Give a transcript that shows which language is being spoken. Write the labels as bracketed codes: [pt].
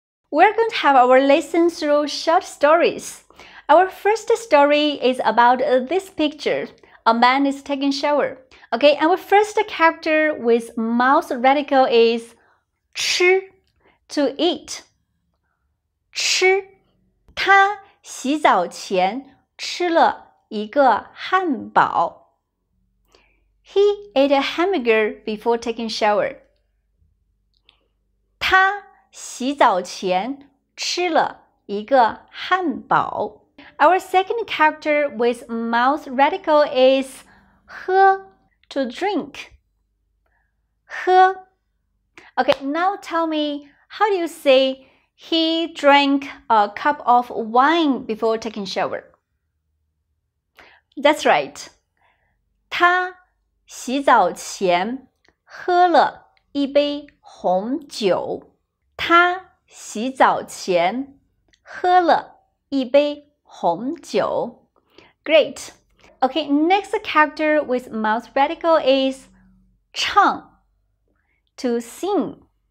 [en] We're going to have our lesson through short stories. Our first story is about this picture. A man is taking shower. Okay, our first character with mouse radical is 吃, to eat. [zh] 吃, 他洗澡前吃了一个汉堡。 [en] He ate a hamburger before taking shower. [zh] 他洗澡前吃了一个汉堡。 [en] Our second character with mouse radical is 喝, to drink. [zh] 喝。 [en] Okay, now tell me, how do you say he drank a cup of wine before taking shower? That's right. [zh] 他洗澡前喝了一杯红酒。他洗澡前喝了一杯红酒。 [en] Great. Okay, next character with mouth radical is 唱, to sing.